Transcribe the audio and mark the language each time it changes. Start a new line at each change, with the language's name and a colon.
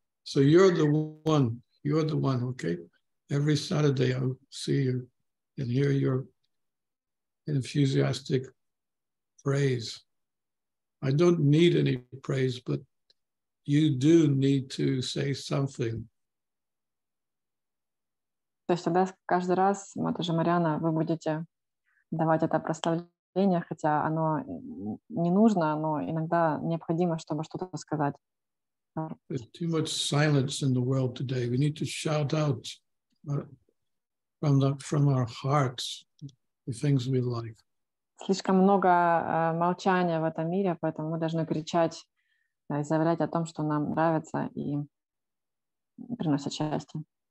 English: So you're the one, okay? Every Saturday I'll see you and hear your enthusiastic praise. I don't need any praise, but you do need to say something.
Russian: То есть тогда каждый раз, Матаджи Мариана, вы будете давать это прославление, хотя оно не нужно, но иногда необходимо, чтобы что-то сказать.
English: There's too much silence in the world today. We need to shout out from our hearts the things we like.
Russian: Слишком много молчания в этом мире, поэтому мы должны кричать и заявлять о том, что нам нравится и приносит счастье.